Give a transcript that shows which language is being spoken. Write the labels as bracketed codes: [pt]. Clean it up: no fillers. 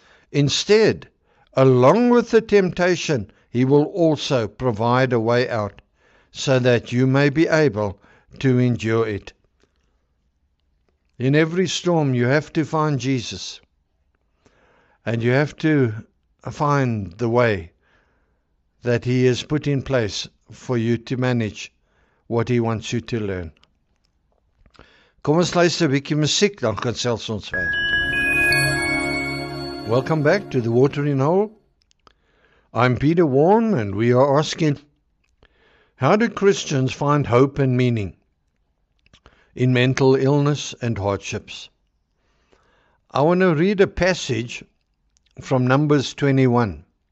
[en] Instead, along with the temptation, he will also provide a way out, so that you may be able to endure it. In every storm, you have to find Jesus. And you have to find the way that he has put in place for you to manage what he wants you to learn. [af] Kom ons luister 'n bietjie musiek, dan kan selfs ons weer. [en] Welcome back to the Watering Hole. I'm Peter Warne, and we are asking, how do Christians find hope and meaning in mental illness and hardships? I want to read a passage from Numbers 21.